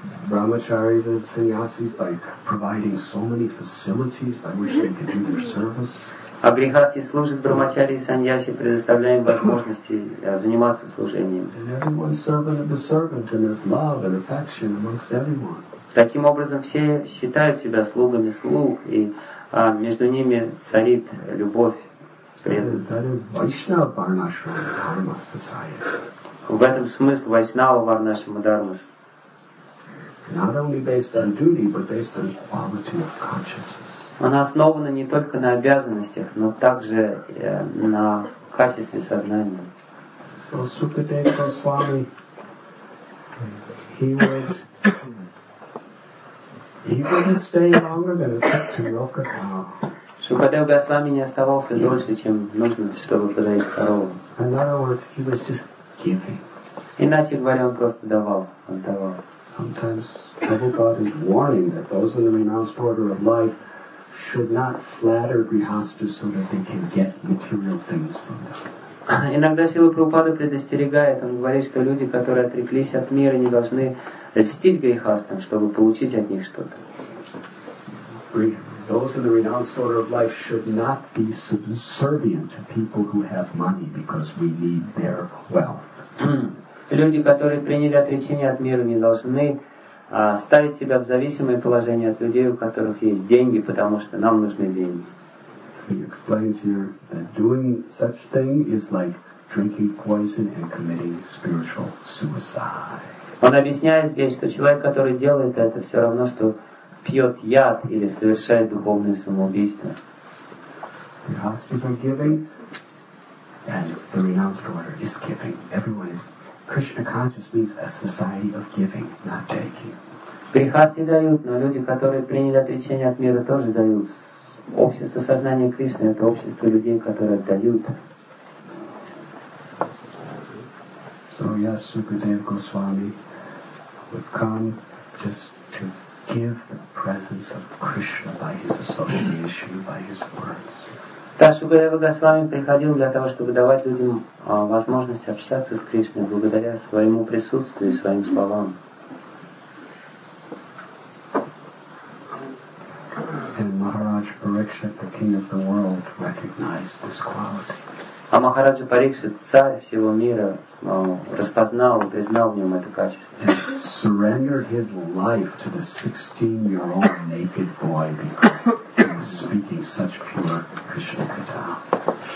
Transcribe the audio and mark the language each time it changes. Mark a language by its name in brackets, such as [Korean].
[English] Brahmacharis and sannyasis by providing so many facilities by which they can do their service. [Russian] А грихасты служат брахмачари и саньяси, предоставляя им возможности заниматься служением. [English] And everyone's servant of the servant, and there's love and affection amongst everyone. [Russian] Таким образом, все считают себя слугами слуг, и между ними царит любовь. [English] That is Vaishnava Varnashrama Dharma Society. [Russian] В этом смысл Вайшнава Варнашрама Дхарма. [English] Not only based on duty, but based on quality of consciousness. [Russian] Она основана не только на обязанностях, но также на качестве сознания. [English] So Sukadeva Goswami, he would stay longer than it took to milk a cow. [Russian] Шукадев Госвами не оставался дольше, чем нужно, чтобы подоить корову. [English] In other words, he was just giving. [Russian] Иначе говоря, он просто давал, он давал. [English] Sometimes Prabhupada is warning that those in the renounced order of life should not flatter grihasthas so that they can get material things from them. [Russian] Иногда Сила Прабхупада предостерегает, он говорит, что люди, которые отреклись от мира, не должны льстить грихастам, чтобы получить от них что-то. [English] Those in the renounced order of life should not be subservient to people who have money because we need their wealth. [Russian] Люди, которые приняли отречение от мира, не должны ставить себя в зависимое положение от людей, у которых есть деньги, потому что нам нужны деньги. [English] He explains here that doing such thing is like drinking poison and committing spiritual suicide. [Russian] Он объясняет здесь, что человек, который делает это, все равно, что пьет яд или совершает духовное самоубийство. [English] Grihasthas are giving, and the renounced order is giving. Everyone is. Krishna conscious means a society of giving, not taking. [Russian] Грихасты дают, но люди, которые приняли отречение от мира, тоже дают. Общество сознания Кришны — это общество людей, которые дают. [English] So yes, Sukadeva Goswami would come just to give the presence of Krishna by his association, by his words. [Russian] Так, Шукадева Госвами приходил для того, чтобы давать людям возможность общаться с Кришной благодаря своему присутствию и своим словам. [English] And Maharaj Parikshit, the king of the world, recognized this quality. [Russian] А Махараджа Парикшит, царь всего мира, распознал, признал в нем это качество. [English] Surrendered his life to the 16-year-old naked boy because he was speaking such pure Krishna Katha.